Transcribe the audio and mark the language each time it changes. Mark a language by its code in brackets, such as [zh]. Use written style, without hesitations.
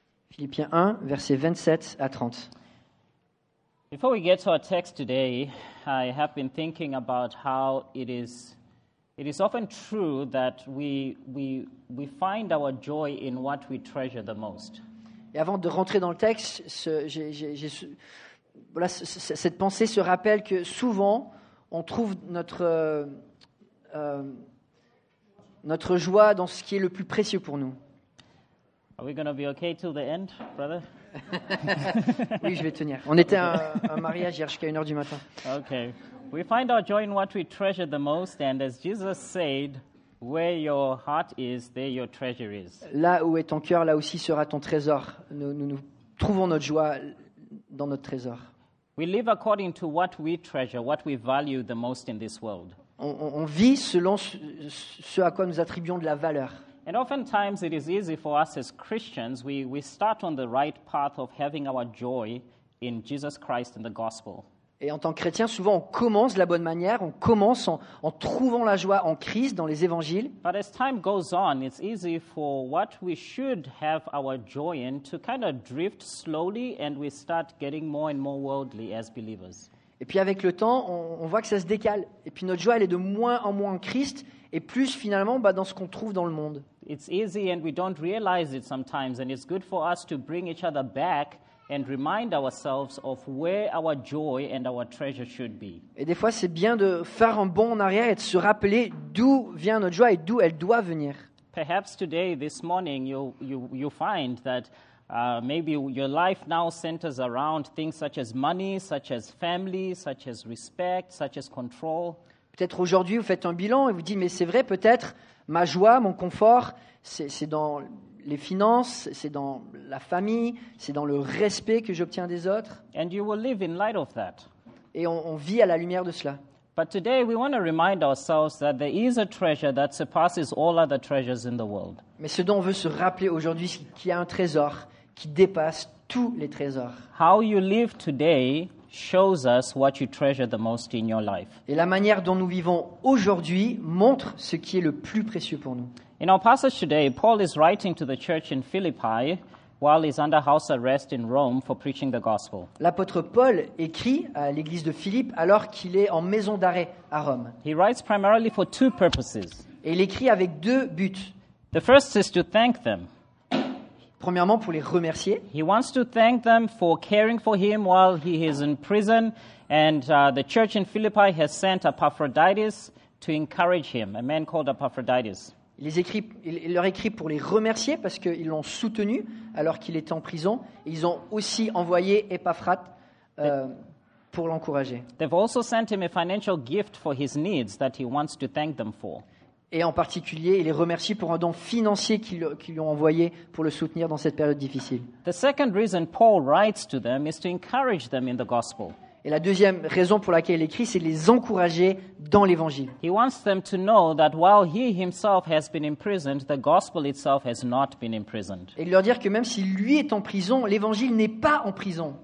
[fr] Philippiens 1, versets 27 à 30. [en] Before we get to our text today, I have been thinking about how it is often true that we find our joy in what we treasure the most. [fr] Et avant de rentrer dans le texte, cette pensée se rappelle que souvent, on trouve notre joie dans ce qui est le plus précieux pour nous. [en] Are we going to be okay till the end, brother? [fr] Oui, je vais tenir. On était à un mariage hier jusqu'à 1h du matin. [en] Okay. We find our joy in what we treasure the most, and as Jesus said, where your heart is, there your treasure is. [fr] Là où est ton cœur, là aussi sera ton trésor. Nous trouvons notre joie dans notre trésor. [en] We live according to what we treasure, what we value the most in this world. [fr] On vit selon ce à quoi nous attribuons de la valeur. [en] And oftentimes it is easy for us as Christians, we start on the right path of having our joy in Jesus Christ and the gospel. [fr] Et en tant que chrétien, souvent on commence de la bonne manière, on commence en trouvant la joie en Christ, dans les évangiles. [en] But as time goes on, it's easy for what we should have our joy in to kind of drift slowly and we start getting more and more worldly as believers. [fr] Et puis avec le temps, on voit que ça se décale. Et puis notre joie, elle est de moins en moins en Christ et plus finalement dans ce qu'on trouve dans le monde. [en] It's easy and we don't realize it sometimes and it's good for us to bring each other back and remind ourselves of where our joy and our treasure should be. [fr] Et des fois, c'est bien de faire un bond en arrière et de se rappeler d'où vient notre joie et d'où elle doit venir. [en] Perhaps today, this morning, you find that maybe your life now centers around things such as money, such as family, such as respect, such as control. [fr] Peut-être aujourd'hui, vous faites un bilan et vous dites, mais c'est vrai, peut-être, ma joie, mon confort, c'est dans les finances, c'est dans la famille, c'est dans le respect que j'obtiens des autres. [en] And you will live in light of that. [fr] Et on vit à la lumière de cela. [en] But today we want to remind ourselves that there is a treasure that surpasses all other treasures in the world. [fr] Mais ce dont on veut se rappeler aujourd'hui, c'est qu'il y a un trésor qui dépasse tous les trésors. [en] How you live today shows us what you treasure the most in your life. [fr] Et la manière dont nous vivons aujourd'hui montre ce qui est le plus précieux pour nous. [en] In our passage today, Paul is writing to the church in Philippi while he's under house arrest in Rome for preaching the gospel. [fr] L'apôtre Paul écrit à l'église de Philippe alors qu'il est en maison d'arrêt à Rome. [en] He writes primarily for two purposes. [fr] Et il écrit avec deux buts. [en] The first is to thank them. [fr] Premièrement, pour les remercier. [en] He wants to thank them for caring for him while he is in prison, and the church in Philippi has sent Epaphroditus to encourage him, a man called Epaphroditus. [fr] Il leur écrit pour les remercier parce qu'ils l'ont soutenu alors qu'il était en prison. Ils ont aussi envoyé Epaphrat pour l'encourager. [en] They've also sent him a financial gift for his needs that he wants to thank them for. [fr] Et en particulier, il les remercie pour un don financier qu'ils lui ont envoyé pour le soutenir dans cette période difficile. [en] The second reason Paul writes to them is to encourage them in the gospel. [fr] Et la deuxième raison pour laquelle il écrit, c'est de les encourager dans l'Évangile. [en] He wants them to know that while he himself has been imprisoned, the gospel itself has not been imprisoned. [fr] Et leur dire que même si lui est en prison, l'Évangile n'est pas en prison.